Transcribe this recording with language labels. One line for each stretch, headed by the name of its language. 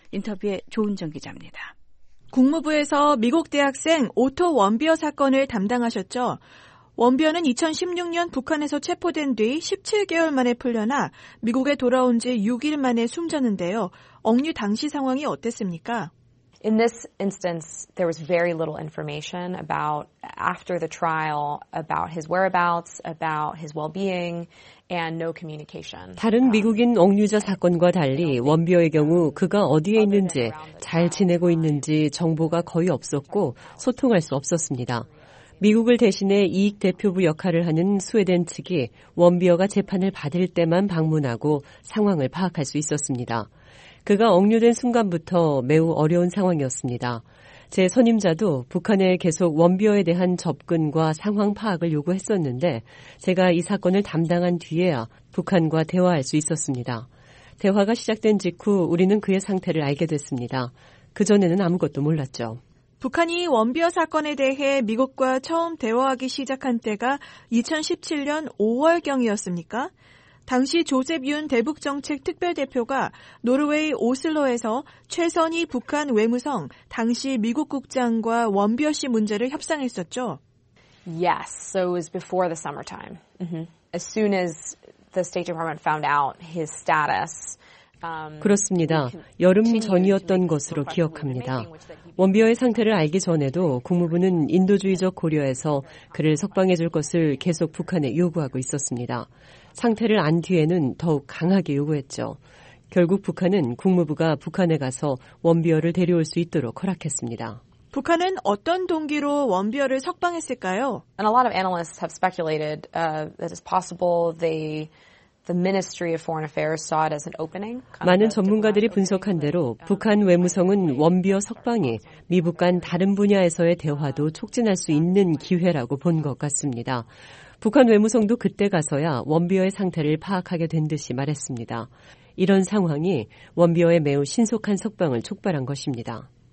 Korean: 인터뷰에 조은정 기자입니다. 국무부에서 미국 대학생 오토 원비어 사건을 담당하셨죠. 원비어는 2016년 북한에서 체포된 뒤 17개월 만에 풀려나 미국에 돌아온 지 6일 만에 숨졌는데요. 억류 당시 상황이 어땠습니까?
English: In this instance, there was very little information about after the trial, about his whereabouts, about his well-being, and no communication.
Korean: 다른 미국인 억류자 사건과 달리 원비어의 경우 그가 어디에 있는지, 잘 지내고 있는지 정보가 거의 없었고 소통할 수 없었습니다. 미국을 대신해 이익 대표부 역할을 하는 스웨덴 측이 원비어가 재판을 받을 때만 방문하고 상황을 파악할 수 있었습니다. 그가 억류된 순간부터 매우 어려운 상황이었습니다. 제 선임자도 북한에 계속 원비어에 대한 접근과 상황 파악을 요구했었는데 제가 이 사건을 담당한 뒤에야 북한과 대화할 수 있었습니다. 대화가 시작된 직후 우리는 그의 상태를 알게 됐습니다. 그전에는 아무것도 몰랐죠. 북한이 원비어 사건에 대해 미국과 처음 대화하기 시작한 때가 2017년 5월경이었습니까? 당시 조셉 윤 대북정책특별대표가 노르웨이 오슬로에서 최선희 북한 외무성 당시 미국 국장과 원비어 씨 문제를 협상했었죠.
English: Yes, so it was before the summertime. As soon as the State Department found out his status.
Korean: 그렇습니다. 여름 전이었던 것으로 기억합니다. 원비어의 상태를 알기 전에도 국무부는 인도주의적 고려에서 그를 석방해줄 것을 계속 북한에 요구하고 있었습니다. 상태를 안 뒤에는 더욱 강하게 요구했죠. 결국 북한은 국무부가 북한에 가서 원비어를 데려올 수 있도록 허락했습니다. 북한은 어떤 동기로 원비어를 석방했을까요?
English: And a lot of analysts have speculated that it's possible The Ministry of Foreign Affairs saw it as an opening.
Korean: 많은 전문가들이 분석한 대로 북한 외무성은 원비어 석방이 미북 간 다른 분야에서의 대화도 촉진할 수 있는 기회라고 본 것 같습니다. 북한 외무성도 그때 가서야 원비어의 상태를 파악하게 된 듯이 말했습니다. 이런 상황이 원비어의 매우 신속한 석방을 촉발한 것입니다.